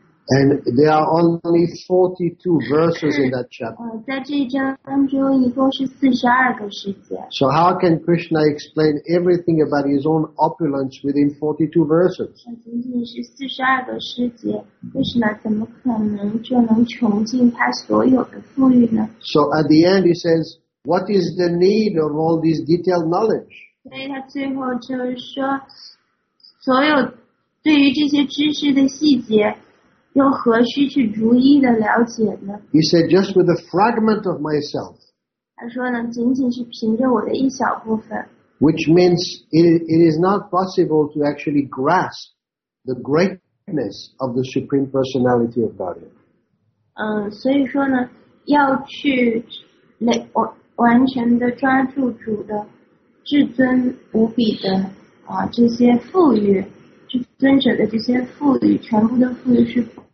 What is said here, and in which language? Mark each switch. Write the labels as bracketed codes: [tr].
[en] And there are only 42 verses in that chapter. [zh] 在这一章当中一共是42个诗节。 [en] So how can Krishna explain everything about his own opulence within 42 verses? [zh] 仅仅是42个诗节， Krishna 怎么可能就能穷尽他所有的富裕呢？ [en] So at the end he says, what is the need of all this detailed knowledge? [zh] 所以他最后就是说，所有对于这些知识的细节又何须去逐一的了解呢？ [en] He said, just with a fragment of myself. [zh] 他说呢，仅仅是凭着我的一小部分。 [en] Which means it is not possible to actually grasp the greatness of the Supreme Personality of Godhead. [zh] 所以说呢，要去完全的抓住主的至尊无比的这些富裕，至尊者的这些富裕，全部的富裕是。